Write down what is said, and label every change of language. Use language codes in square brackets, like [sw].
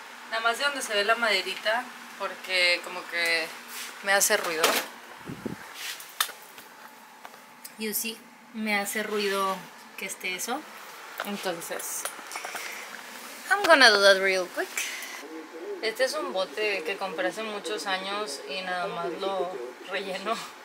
[es] Nada más de donde se ve la maderita, porque como que me hace ruido. Y sí, me hace ruido que esté eso. Entonces, [en] I'm gonna do that real quick. [es] Este es un bote que compré hace muchos años y nada más lo relleno.